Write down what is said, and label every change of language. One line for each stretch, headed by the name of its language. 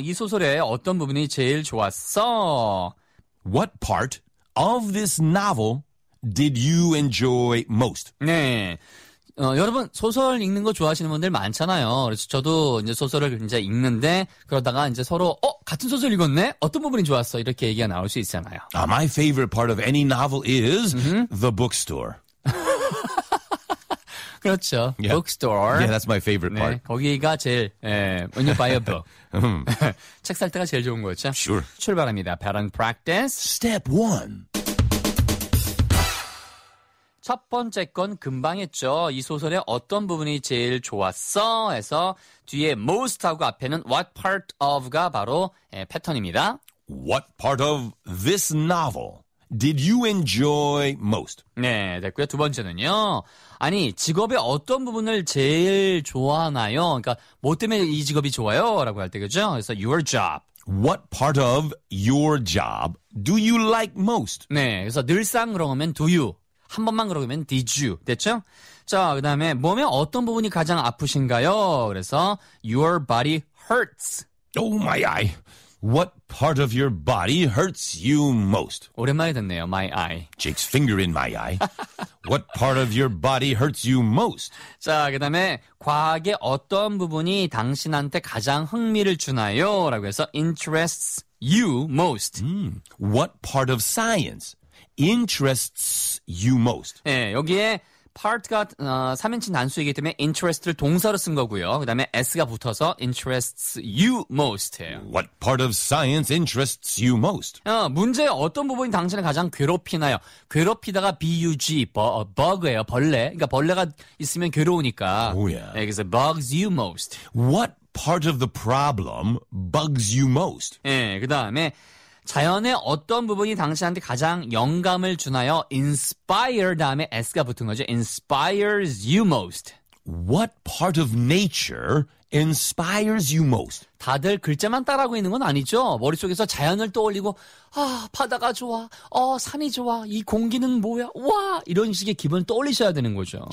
Korean: 이 소설의 어떤 부분이 제일 좋았어?
English: What part of this novel did you enjoy most?
Korean: 네. 여러분, 소설 읽는 거 좋아하시는 분들 많잖아요. 그래서 저도 이제 소설을 이제 읽는데 그러다가 이제 서로 같은 소설 읽었네? 어떤 부분이 좋았어? 이렇게 얘기가 나올 수 있잖아요.
English: My favorite part of any novel is the bookstore.
Korean: 그렇죠.
English: Yeah. Bookstore. Yeah, that's my favorite part.
Korean: 네, 거기가 제일,
English: when you buy a book.
Korean: 책 살 때가 제일 좋은 거죠.
English: Sure.
Korean: 출발합니다.
English: Pattern practice. Step one.
Korean: 첫 번째 건 금방 했죠. 이 소설의 어떤 부분이 제일 좋았어? 해서 뒤에 most하고 앞에는
English: what part of
Korean: 가 바로 패턴입니다.
English: What part of this novel? Did you enjoy most?
Korean: 네, 됐고요. 두 번째는요. 아니, 직업의 어떤 부분을 제일 좋아하나요? 그러니까 뭐 때문에 이 직업이 좋아요? 라고 할 때, 그죠? 그래서
English: your job. What part of your job do you like most?
Korean: 네, 그래서 늘상 그러면
English: do you.
Korean: 한 번만 그러면
English: did you.
Korean: 됐죠? 자, 그 다음에 몸의 어떤 부분이 가장 아프신가요? 그래서
English: your body hurts. Oh, my eye. What part of your body hurts you most?
Korean: 오랜만에 듣네요.
English: My eye. Jake's finger in my eye. What part of your body hurts you most?
Korean: 자, 그 다음에 과학의 어떤 부분이 당신한테 가장 흥미를 주나요? 라고 해서
English: interests you most. What part of science interests you most?
Korean: 네, 여기에 part가 3인칭 단수이기 때문에 interest를 동사로 쓴 거고요. 그 다음에 s가 붙어서
English: interests you most
Korean: 예요.
English: What part of science interests you most?
Korean: 문제의 어떤 부분이 당신을 가장 괴롭히나요? 괴롭히다가 bug, bug예요. 벌레. 그러니까 벌레가 있으면 괴로우니까.
English: Oh, yeah.
Korean: 네, 그래서
English: bugs you most. What part of the problem bugs you most?
Korean: 예, 네, 그 다음에 자연의 어떤 부분이 당신한테 가장 영감을 주나요? Inspire 다음에 S가 붙은 거죠.
English: Inspires you most. What part of nature inspires you most?
Korean: 다들 글자만 따라하고 있는 건 아니죠. 머릿속에서 자연을 떠올리고 아 바다가 좋아, 산이 좋아, 이 공기는 뭐야, 와 이런 식의 기분을 떠올리셔야 되는 거죠.